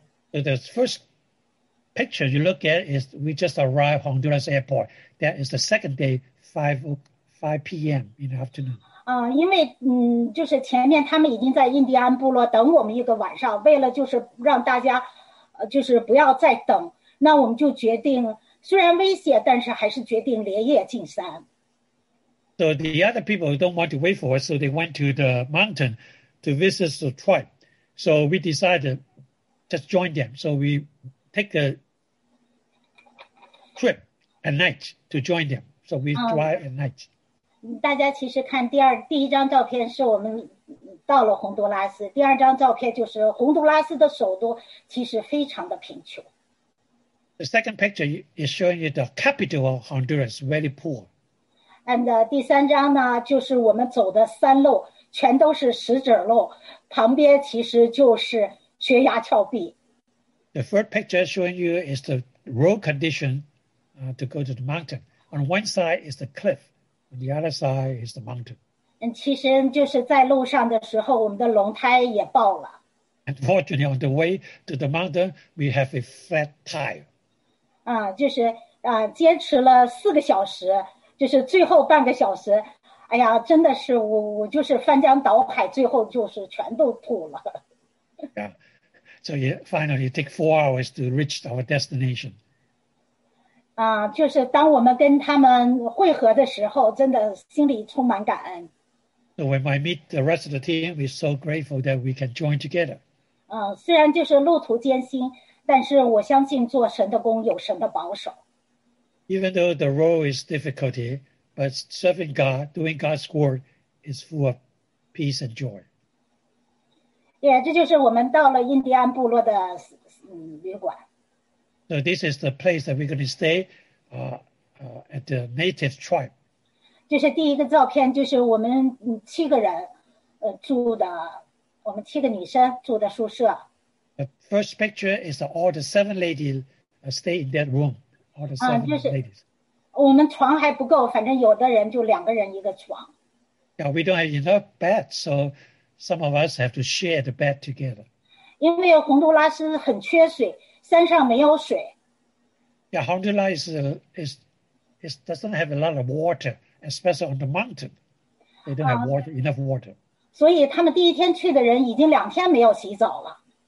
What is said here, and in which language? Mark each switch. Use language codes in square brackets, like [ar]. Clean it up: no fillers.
[en] The first picture you look at is we just arrived Honduras Airport. That is the second day, 5 p.m. in the afternoon. [zh] 因为就是前面他们已经在印第安部落等我们一个晚上，为了就是让大家就是不要再等，那我们就决定，虽然危险，但是还是决定连夜进山。 [en] So the other people don't want to wait for us, so they went to the mountain. To visit the tribe. So we decided to just join them. So we take a trip at night to join them. So we drive at night. [zh] 大家其实看第一张照片是我们到了洪都拉斯。第二张照片就是洪都拉斯的首都其实非常的贫穷。 [en] The second picture is showing you the capital of Honduras, very poor. And [zh] 第三张呢就是我们走的山路。全都是石子路，旁边其实就是悬崖峭壁。 [en] The third picture showing you is the road condition, to go to the mountain. On one side is the cliff, on the other side is the mountain. [zh] 其实就是在路上的时候，我们的轮胎也爆了。 [en] Unfortunately, on the way to the mountain, we have a flat tire. [zh] 就是坚持了4个小时，就是最后半个小时。哎呀，真的是我就是翻江倒海，最后就是全都吐了。 [en] Yeah, so you finally take 4 hours to reach our destination. [zh] 就是当我们跟他们会合的时候，真的心里充满感恩。 [en] So when we meet the rest of the team, we're so grateful that we can join together. [zh] 虽然就是路途艰辛，但是我相信做神的工有神的保守。 [en] Even though the road is difficulty. But serving God, doing God's word, is full of peace and joy. [zh] Yeah, 这就是我们到了印第安部落的旅馆。 [en] So this is the place that we're going to stay at the native tribe. [zh] 这是第一个照片，就是我们七个人住的，我们七个女生住的宿舍。 [en] The first picture is all the seven ladies stay in that room, all the seven ladies. [zh] 我们床还不够，反正有的人就2个人一个床。 [en] Yeah, we don't have enough beds, so some of us have to share the bed together. [zh] 因为洪都拉斯很缺水，山上没有水。 [en] Yeah, Honduras is doesn't have a lot of water, especially on the mountain. They don't have water, enough water. [zh] 所以他们第一天去的人已经2天没有洗澡了。